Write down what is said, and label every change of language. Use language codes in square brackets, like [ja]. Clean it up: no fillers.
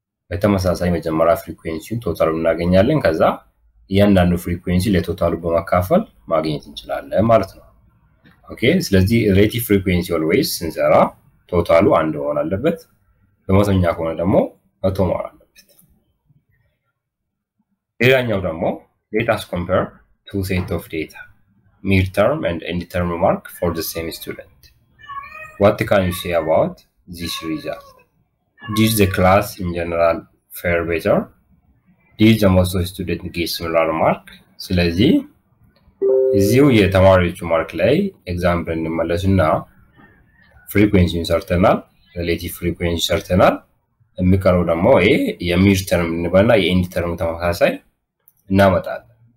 [am] በተመሳሳይ መጀመሪያ frequency total እናገኛለን። ከዛ ያንዳንዱ frequency ለtotal በማካፈል ማግኘት እንችላለን ማለት ነው። ኦኬ፣ ስለዚህ relative frequency always ስንሰራ totalው አንድ ሆነ አለበት፣ በመቶኛ ከሆነ ደግሞ መቶ ማለት ነው። ሌላኛው ደግሞ [en] let us compare two sets of data, midterm and endterm mark for the same student. What can you say about this result? Did the class in general fare better? Did the most of the student get similar mark? [am] ስለዚህ እዚሁ የተማሪዎቹ ማርክ ላይ example እንመለስና frequency ሰርተናል፣ relative frequency ሰርተናል። የሚቀረው ደግሞ ይሄ የmidterm እንበልና የendterm ተመሳሳይ እናመጣለን።